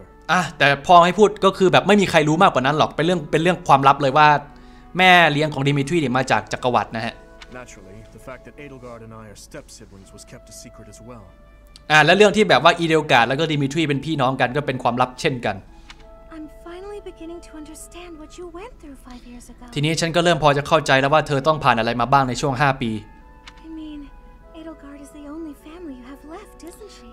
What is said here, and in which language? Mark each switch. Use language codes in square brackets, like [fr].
[th] ลับแต่พอให้พูดก็คือแบบไม่มีใครรู้มากกว่านั้นหรอกเป็นเรื่องความลับเลยว่าแม่เลี้ยงของดิมิทรีเนี่ยมาจากจักรวรรดินะฮะ [en] Naturally the fact that Edelgard and I are step siblings was kept a secret as well [th] และเรื่องที่แบบว่าอีเดลการ์ดแล้วก็ดิมิทรีเป็นพี่น้องกันก็เป็นความลับเช่นกัน [en] I'm finally beginning to understand what you went through 5 years ago [th] ทีนี้ฉันก็เริ่มพอจะเข้าใจแล้วว่าเธอต้องผ่านอะไรมาบ้างในช่วง5ปี [en] I mean Edelgard is the only family you have left isn't she